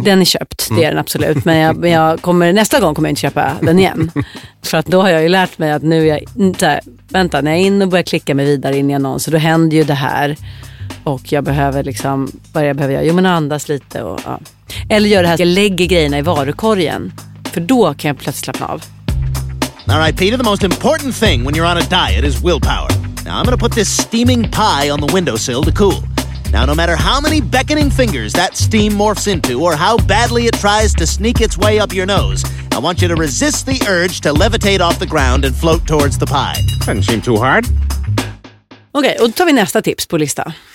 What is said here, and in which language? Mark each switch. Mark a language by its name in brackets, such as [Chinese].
[Swedish] Den är köpt, det är den absolut. Men jag kommer, nästa gång kommer jag inte köpa den igen. För att då har jag ju lärt mig att nu är jag... Här, vänta, när jag är in och börjar klicka mig vidare in i annons, så då händer ju det här. Och jag behöver liksom, vad jag behöver göra? Jo, men andas lite och... Ja. Eller gör det här, jag lägger grejerna i varukorgen. För då kan jag plötsligt slappna av. [English] All right, Peter, the most important thing when you're on a diet is willpower. Now, I'm going to put this steaming pie on the windowsill to cool. Now, no matter how many beckoning fingers that steam morphs into or how badly it tries to sneak its way up your nose, I want you to resist the urge to levitate off the ground and float towards the pie. Doesn't seem too hard. [Swedish] Okay, och tar vi nästa tips på lista.